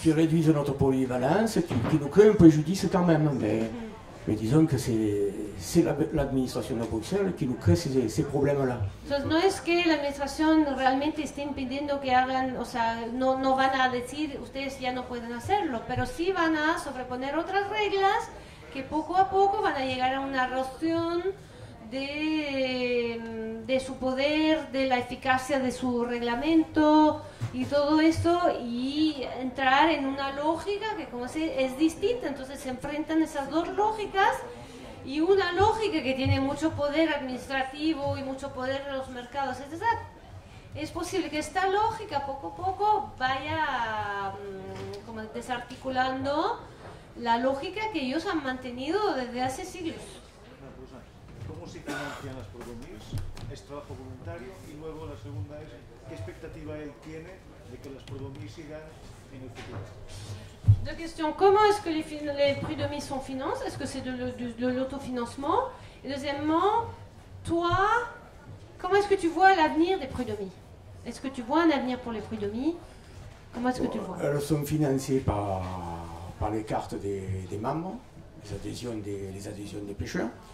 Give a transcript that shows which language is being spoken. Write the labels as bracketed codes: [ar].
[fr] Qui réduisent notre polyvalence, qui nous créent un préjudice quand même. Mais disons que c'est l'administration de Bruxelles qui nous crée ces problèmes-là. Donc, non est-ce que l'administration réellement est [es] impedindo que hagan, o sea, no van a decir ustedes ya no pueden hacerlo, pero sí van a sobreponer otras reglas que poco a poco van a llegar a una erosión de su poder, de la eficacia de su reglamento y todo esto, y entrar en una lógica que, como sé, es distinta. Entonces se enfrentan esas dos lógicas, y una lógica que tiene mucho poder administrativo y mucho poder en los mercados, etc. Es posible que esta lógica poco a poco vaya como desarticulando la lógica que ellos han mantenido desde hace siglos. ¿Cómo se financian las prodomis? ¿Es trabajo voluntario? Y luego la segunda es, ¿qué expectativa él tiene de que las prodomis sigan en el futuro? [fr] Deux questions. Comment est-ce que les prud'homies sont financés? Est-ce que c'est de l'autofinancement? Et deuxièmement, toi, comment est-ce que tu vois l'avenir des prud'homies? Est-ce que tu vois un avenir pour les prud'homies? Comment est-ce que tu vois? Elles sont financées par les cartes des membres, les adhésions des pêcheurs.